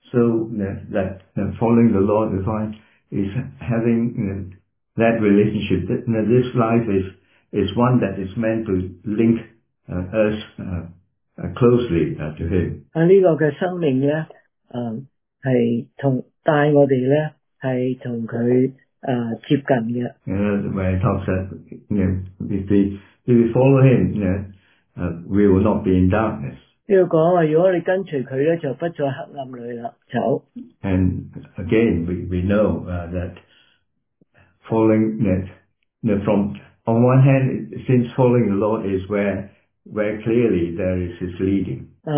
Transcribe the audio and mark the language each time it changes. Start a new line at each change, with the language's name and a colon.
English: So that following the Lord divine is having that relationship. That this life is one that is meant to link us closely to Him.
Cantonese: 呢個嘅生命咧，係同帶我哋咧，係同佢接近嘅。
English: When it talks that, you know, if we follow Him, we will not be in darkness.
Cantonese: 呢個講話，如果你跟隨佢咧，就不在黑暗裏啦，走。
English: And again, we know that following that, from on one hand, since following the Lord is where clearly there is His leading.